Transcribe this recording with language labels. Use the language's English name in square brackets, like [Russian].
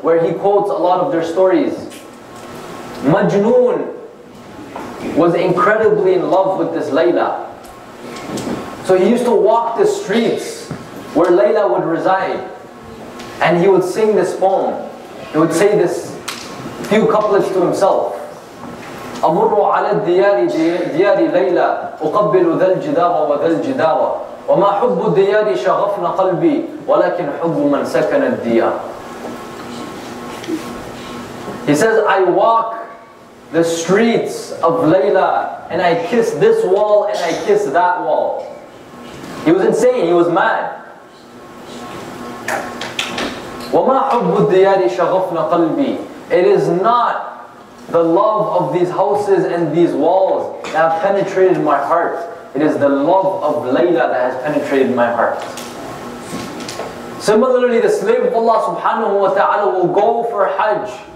[English] where he quotes a lot of their stories. Majnoon was incredibly in love with this Layla. So he used to walk the streets where Layla would reside, and he would sing this poem. He would say this few couplets to himself. [Arabic] أمر على الديار ديار ليلى أقبل ذا الجدار وذا الجدار وما حب الديار شغفنا قلبي ولكن حب من سكن الديار. [English] He says, I walk the streets of Layla and I kiss this wall and I kiss that wall. He was insane, he was mad. [Arabic] وما حب الديار شغفنا قلبي. [English] It is not the love of these houses and these walls that have penetrated my heart. It is the love of Layla that has penetrated my heart. Similarly, the slave of Allah subhanahu wa ta'ala will go for Hajj.